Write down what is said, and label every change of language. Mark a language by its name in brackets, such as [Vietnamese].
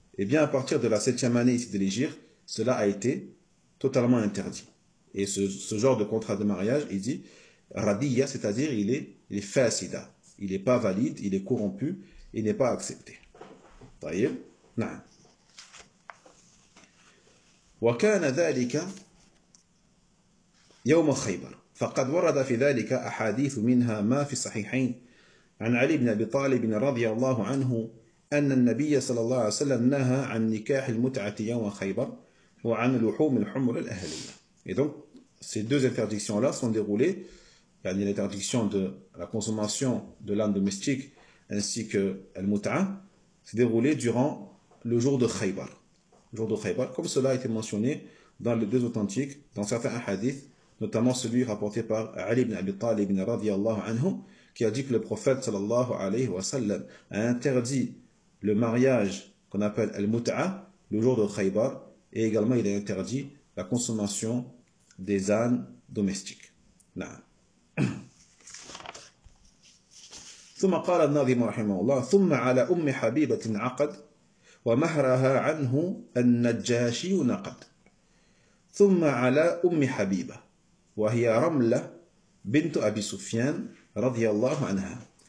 [French] Et bien à partir de la 7e année ici de l'Hégire, cela a été totalement interdit. Et ce genre de contrat de mariage, il dit radiya, c'est-à-dire il est fasida. Il n'est pas valide, il est corrompu, il n'est pas accepté. Taïeb? Non. [Arabic] وكان ذلك يوم خيبر فقد ورد في ذلك أحاديث منها ما في الصحيحين عن علي بن أبي طالب رضي الله عنه أن النبي صلى الله عليه وسلم نهى عن نكاح المتعة يوم خيبر وعن لحوم الحمر الأهلية. [French] Et donc, ces deux interdictions-là sont déroulées, يعني l'interdiction de la consommation de l'âne domestique ainsi que al-mut'a, s'est déroulée durant le jour de Khaybar. Jour de Khaybar, comme cela a été mentionné dans les deux authentiques, dans certains hadiths, notamment celui rapporté par Ali ibn Abi Talib ibn radiyallahu anhu, qui a dit que le prophète [Arabic] sallallahu alayhi wa sallam [French] a interdit le mariage qu'on appelle al-mut'a, le jour de Khaybar, et également il a interdit la consommation des ânes domestiques. [Arabic] Na'am. ثم قال الناظم رحمه الله ثم على أم حبيبة عقد ومهرها عنه النجاشي نقد ثم على أم حبيبة وهي رملة بنت أبي سفيان رضي الله عنها.